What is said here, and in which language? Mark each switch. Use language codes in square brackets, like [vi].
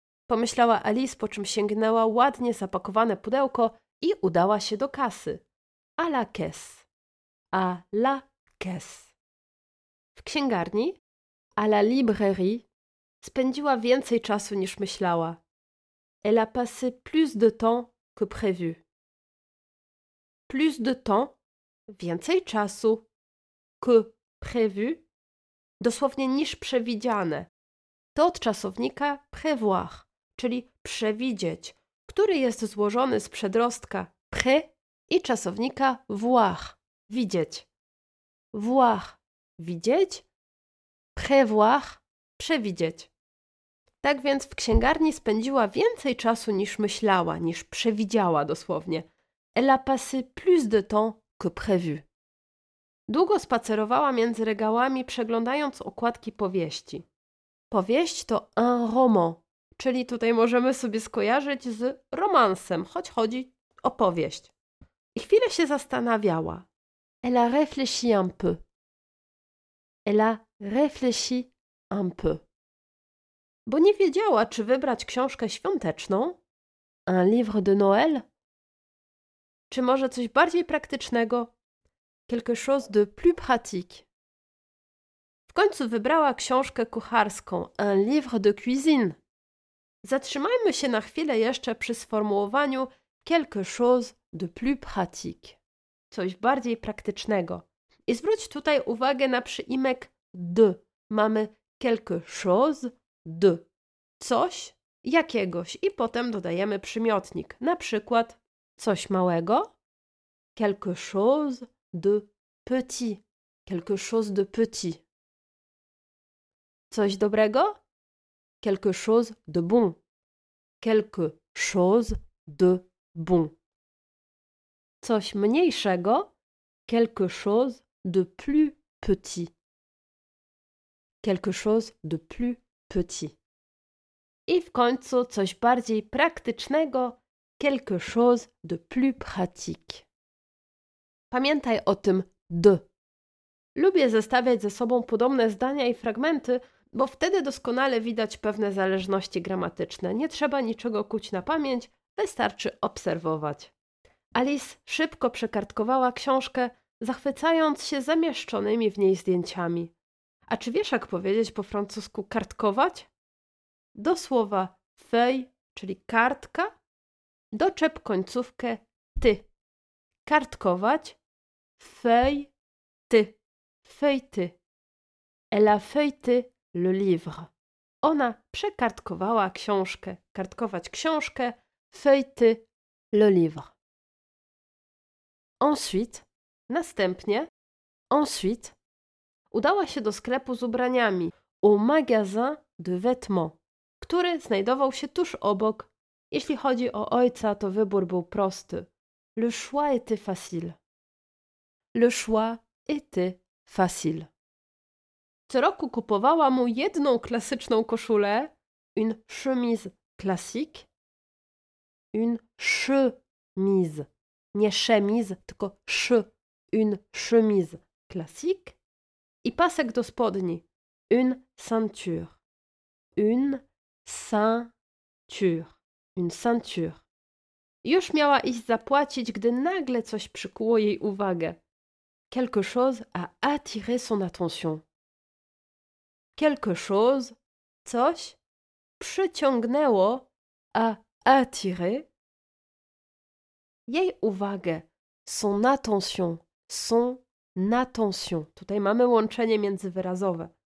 [pl] pomyślała Alice, po czym sięgnęła ładnie zapakowane pudełko i udała się do kasy. [fr] A la caisse. A la caisse. [pl] W księgarni, [fr] à la librairie, [pl] spędziła więcej czasu niż myślała. [fr] Elle a passé plus de temps que prévu. Plus de temps, [pl] więcej czasu, [fr] que prévu, [pl] dosłownie niż przewidziane. To od czasownika prévoir, czyli przewidzieć, który jest złożony z przedrostka pré i czasownika voir, widzieć. [fr] Voir, [pl] widzieć, [fr] prévoir, [pl] przewidzieć. Tak więc w księgarni spędziła więcej czasu niż myślała, niż przewidziała dosłownie. [fr] Elle a passé plus de temps que prévu. [pl] Długo spacerowała między regałami, przeglądając okładki powieści. Powieść to un roman, czyli tutaj możemy sobie skojarzyć z romansem, choć chodzi o powieść. I chwilę się zastanawiała. [fr] Elle a réfléchi un peu. Elle a réfléchi un peu. [pl] Bo nie wiedziała, czy wybrać książkę świąteczną. [fr] Un livre de Noël. [pl] Czy może coś bardziej praktycznego? [fr] Quelque chose de plus pratique. [pl] W końcu wybrała książkę kucharską. [fr] Un livre de cuisine. [pl] Zatrzymajmy się na chwilę jeszcze przy sformułowaniu [fr] quelque chose de plus pratique. [pl] Coś bardziej praktycznego. I zwróć tutaj uwagę na przyimek de. Mamy [fr] quelque chose de. [pl] Coś jakiegoś. I potem dodajemy przymiotnik. Na przykład... Coś małego? [fr] Quelque chose de petit. Quelque chose de petit. [pl] Coś dobrego? [fr] Quelque chose de bon. Quelque chose de bon. [pl] Coś mniejszego? [fr] Quelque chose de plus petit. Quelque chose de plus petit. [pl] I w końcu coś bardziej praktycznego. [fr] Quelque chose de plus pratique. [pl] Pamiętaj o tym de. Lubię zestawiać ze sobą podobne zdania i fragmenty, bo wtedy doskonale widać pewne zależności gramatyczne. Nie trzeba niczego kuć na pamięć, wystarczy obserwować. Alice szybko przekartkowała książkę, zachwycając się zamieszczonymi w niej zdjęciami. A czy wiesz, jak powiedzieć po francusku kartkować? Do słowa feuille, czyli kartka, doczep końcówkę ty. Kartkować. Feuille ty. Feuille ty. [fr] Elle a feuilleté le livre. [pl] Ona przekartkowała książkę. Kartkować książkę. [fr] Feuilleté le livre. Ensuite. [pl] Następnie. [fr] Ensuite. [pl] Udała się do sklepu z ubraniami. [fr] Au magasin de vêtements. [pl] Który znajdował się tuż obok. Jeśli chodzi o ojca, to wybór był prosty. [fr] Le choix était facile. Le choix était facile. [pl] Co roku kupowała mu jedną klasyczną koszulę. [fr] Une chemise classique. Une chemise. [pl] Nie [fr] chemise, [pl] tylko [fr] che. Une chemise classique. [pl] I pasek do spodni. [fr] Une ceinture. Une ceinture. Une ceinture. [pl] Już miała iść zapłacić, gdy nagle coś przykuło jej uwagę. [fr] Quelque chose a attiré son attention. Quelque chose, [pl] coś, przyciągnęło, [fr] a attiré, [pl] jej uwagę, [fr] son attention, son attention. [pl] Tutaj mamy łączenie międzywyrazowe.